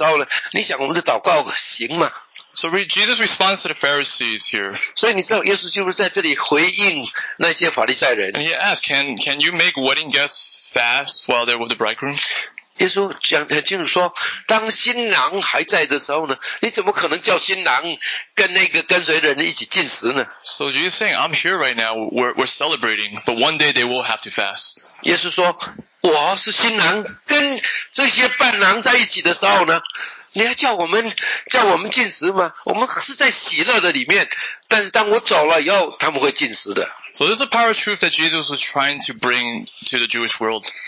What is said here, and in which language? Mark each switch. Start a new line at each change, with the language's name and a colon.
Chinese: 当我们在祷告的时候，我们的心术不正的时候，我们想法不太对的时候呢，你想我们的祷告行吗？
English: So Jesus responds to the Pharisees here.
Chinese: 所以你知道耶稣就是在这里回应那些法利赛人。
English: And he asks, can you make wedding guests fast while they're with the bridegroom?
Chinese: 耶稣讲很清楚说，当新郎还在的时候呢，你怎么可能叫新郎跟那个跟随的人一起进食呢？
English: So Jesus is saying, I'm here right now, we're celebrating, but one day they will have to fast.
Chinese: 耶稣说，我是新郎跟这些伴郎在一起的时候呢， 你还叫我们禁食吗？我们是在喜乐的里面， 但是当我走了以后，他们会禁食的。
English: So this is the power of truth that Jesus was trying to bring to the Jewish world.